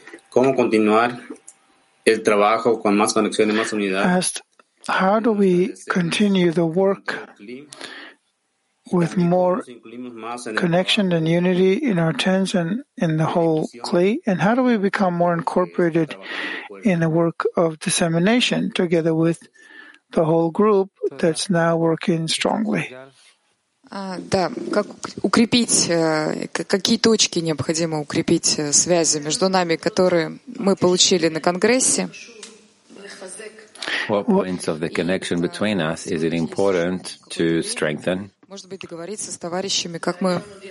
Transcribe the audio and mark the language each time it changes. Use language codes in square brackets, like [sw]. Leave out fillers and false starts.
[es] ¿Cómo continuar el trabajo con más conexiones, más unidad? [en] Asked, how do we continue the work with more connection and unity in our tens and in the whole kli? And how do we become more incorporated in the work of dissemination together with the whole group that's now working strongly? [ru] Да, как укрепить, какие точки необходимо укрепить связи между нами, которые мы получили на Конгрессе? [en] What points of the connection between us is it important to strengthen? [ru] Может быть, договориться с товарищами, как мы...